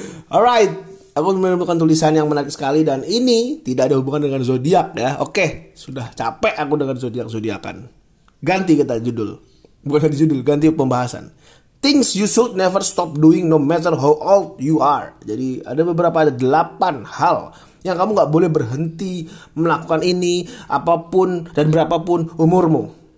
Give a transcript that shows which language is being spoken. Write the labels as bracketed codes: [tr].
[id] Alright, aku menemukan tulisan yang menarik sekali dan ini tidak ada hubungan dengan zodiak ya. Oke, sudah capek aku dengan zodiak-zodiakan. Ganti kita judul. Bukan ganti judul, ganti pembahasan. [en] Things you should never stop doing no matter how old you are. [id] Jadi ada beberapa, ada 8 hal yang kamu gak boleh berhenti melakukan ini apapun dan berapapun umurmu.